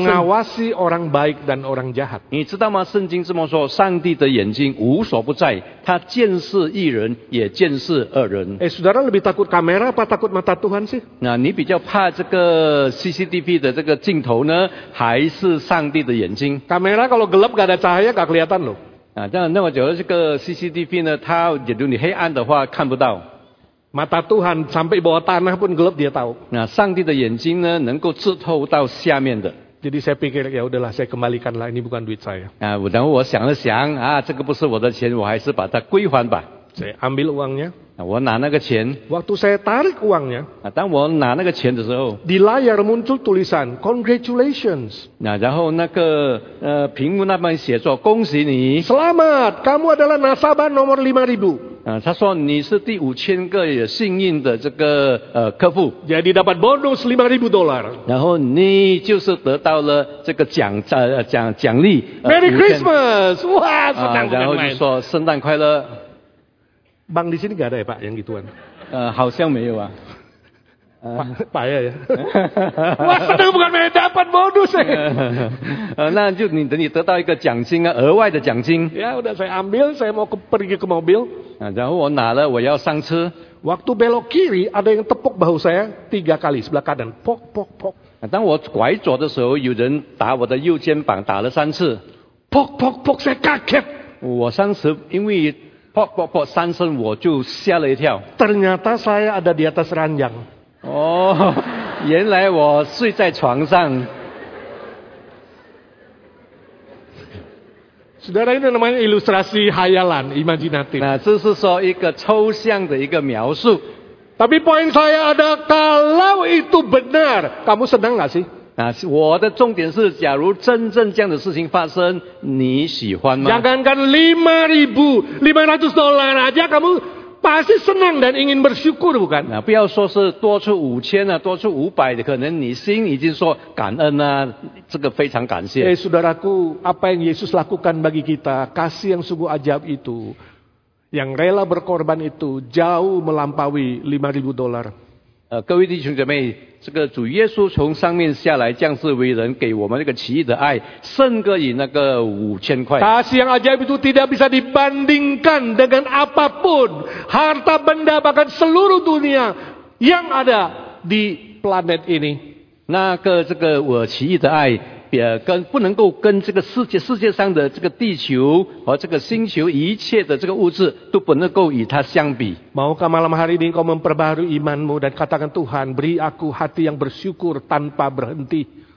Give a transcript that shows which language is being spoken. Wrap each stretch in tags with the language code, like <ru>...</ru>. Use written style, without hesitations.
<id>Mengawasi orang baik dan orang jahat.</id> <zh>你知道吗？圣经这么说，上帝的眼睛无所不在，他见识一人，也见识二人。</zh> <id>Eh, saudara lebih takut kamera apa takut mata Tuhan sih?</id> <zh>Nah, 你比较怕这个 CCTV 的这个镜头呢，还是上帝的眼睛？</zh> <id>Kamera kalau gelap gak ada cahaya gak kelihatan loh.</id> <zh>啊，那么假如这个 CCTV 呢，它假如你黑暗的话看不到。</zh> <id>Mata Tuhan sampai bawah tanah pun gelap dia tahu.</id> <zh>Nah, 上帝的眼睛呢，能够刺透到下面的。</zh> <id>Jadi saya pikir ya udahlah, saya kembalikanlah ini bukan duit saya.</id> <zh>啊，然后我想了想啊，这个不是我的钱，我还是把它归还吧。</zh> <id>Saya ambil uangnya.</id> <zh>啊，我拿那个钱。</zh> <id>Waktu saya tarik uangnya.</id> <zh>啊，当我拿那个钱的时候。</zh> <id>Di layar muncul tulisan Congratulations.</id> <zh>那然后那个屏幕那边写着恭喜你。</zh> <id>Selamat, kamu adalah nasabah nomor 5,000.</id> <zh>他说你是第5000个也幸运的这个客户。</zh> <id>Jadi dapat bonus $5,000。</id> <zh>然后你就是得到了这个奖励。</zh> <en>Merry Christmas! 哇，</en> <zh>然后就说圣诞快乐。</zh> <id>Bang di sini gak ada ya Pak yang gituan?</id> <zh>好像没有啊。白了呀！哇，是那个不敢买，但办不到噻。那就你等你得到一个奖金啊，额外的奖金。</zh> <id>Ya, udah saya ambil, saya mau ke pergi ke mobil.</id> <zh>然后我拿了，我要上车。</zh> <id>Waktu belok kiri, ada yang tepuk bahu saya tiga kali sebelah kanan, pok pok pok.</id> <zh>当我拐左的时候，有人打我的右肩膀，打了三次。</zh> <id>Pok pok pok, saya kaget.</id> <zh>我当时因为pok pok pok 三声，我就吓了一跳。</zh> <id>Ternyata saya ada di atas ranjang.</id> <zh>哦、oh, ，原来我睡在床上。</zh> <id>Saudara ini namanya ilustrasi khayalan, imajinatif.</id> <zh>那这是说一个抽象的一个描述。</zh> <id>Tapi poin saya ada kalau itu benar, kamu senang nggak sih?</id> <zh>那我的重点是，假如真正这样的事情发生，你喜欢吗</zh> <id>？Jangankan 5000, $500 aja kamu. Pasti senang dan ingin bersyukur, bukan?</id> <zh>Nah, 不要说是多出五千啊，多出五百的，可能你心已经说感恩啊，这个非常感谢。</zh> <id>Hey, saudaraku, apa yang Yesus lakukan bagi kita, kasih yang sungguh ajaib itu, yang rela berkorban itu, jauh melampaui $5,000.</id> <zh>各位弟兄姐妹，这个主耶稣从上面下来降世为人，给我们这个奇异的爱，胜过于那个五千块。</zh> <id>Kasih yang ajaib itu tidak bisa dibandingkan dengan apapun harta benda bahkan seluruh dunia yang ada di planet ini.</id> <zh>那个这个我奇异的爱，也跟不能够跟这个世界上的这个地球和这个星球一切的这个物质都不能够与它相比。</zh> <id>Maukah malam hari ini kau memperbaharui imanmu dan katakan Tuhan beri aku hati yang bersyukur tanpa berhenti。</id>